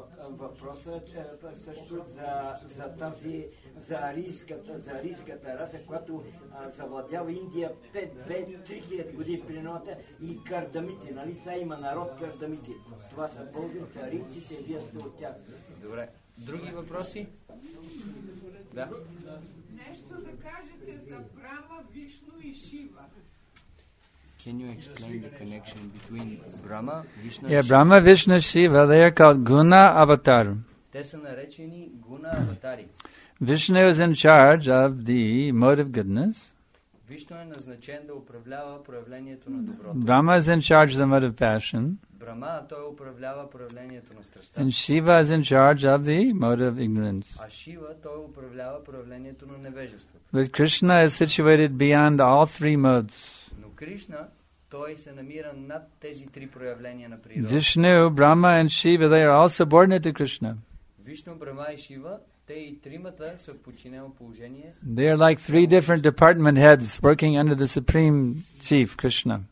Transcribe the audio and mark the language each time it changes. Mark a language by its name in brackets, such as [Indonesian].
[Bulgarian] Въпросът е също за тази, за арийската раса, която завладява Индия 5-2-3 хиляди години при новата и кардамити, нали? Сега има народ кардамити. Това са българите, арийците, вие сте от тях. Добре. Други въпроси? Да. Нещо да кажете за Брама, Вишну и Шива. [English] Can you explain the connection between Brahma, Vishnu, Shiva? Brahma, Vishnu, Shiva, they are called Guna Avatar. [Bulgarian] Те са наречени Guna Avatari. [English] Vishnu is in charge of the mode of goodness. [Bulgarian] Vishnu е назначен да управлява проявлението на доброто. [English] Brahma is in charge of the mode of passion. [Bulgarian] Brahma, той управлява проявлението на страстта. [English] And Shiva is in charge of the mode of ignorance. [Bulgarian] А Шива, той управлява проявлението на невежеството. [English] But Krishna is situated beyond all three modes. [Bulgarian] Кришна, той се намира над тези три проявления на природа. [English] Вишну, Брама и Шива, they are all subordinate to Krishna. [Bulgarian] Вишну, Брама и Шива, те и тримата са в подчинено положение. [English] They are like three different department heads working under the supreme chief Krishna.